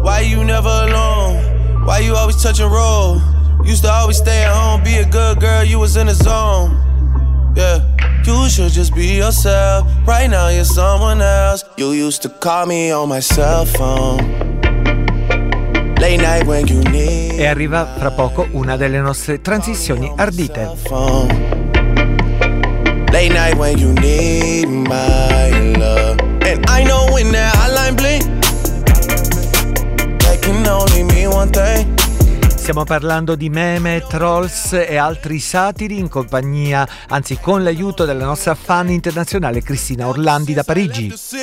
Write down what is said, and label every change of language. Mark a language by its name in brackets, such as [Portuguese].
[English] Why you never alone? Why you always touch and roll? Used to always stay at home, be a good girl, you was in the zone. Yeah, you should just be yourself. Right now you're someone else. You used to call me on my cell phone. Late night when you need. [Italian] E arriva fra poco una delle nostre transizioni ardite. [English] Late night when you need my love. And I know when that hotline blink, that can only mean one thing. [Italian] Stiamo parlando di meme, trolls e altri satiri in compagnia, anzi con l'aiuto della nostra fan internazionale Cristina Orlandi da Parigi.